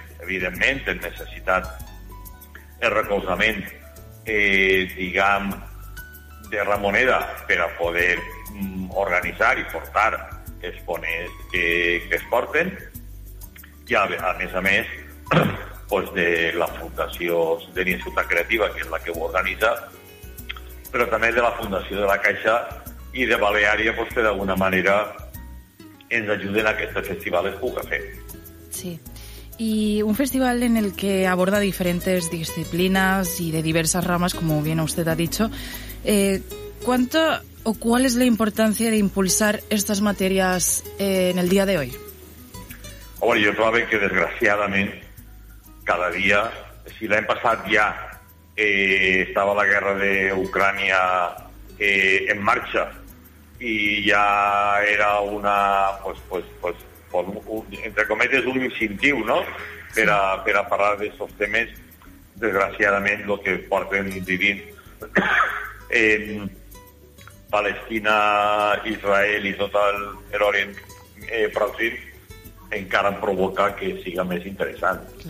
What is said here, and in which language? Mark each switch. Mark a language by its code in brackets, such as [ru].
[ca] Evidentment, hem necessitat el recolzament, diguem, de Ramoneda per a poder organitzar i portar els ponents que es porten, i a més, pues, de la Fundació de Denia Ciutat Creativa, que és la que ho organitza, però també de la Fundació de la Caixa i de Baleària, pues, que d'alguna manera ens ajuden a que este festival es puga fer. Sí. [es] Y un festival en el que aborda diferentes disciplinas y de diversas ramas, como bien usted ha dicho, ¿cuánto o cuál es la importancia de impulsar estas materias en el día de hoy? Bueno, yo creo que desgraciadamente cada día, si la han pasado ya, estaba la guerra de Ucrania en marcha y ya era una, pues [ca] entre cometes un incentiu, [es] no? [ca] Per a parlar d'aquests temes, desgraciadament, el que porten vivint en Palestina, Israel i tot l'Orient Pròxim encara provoca que siga més interessant.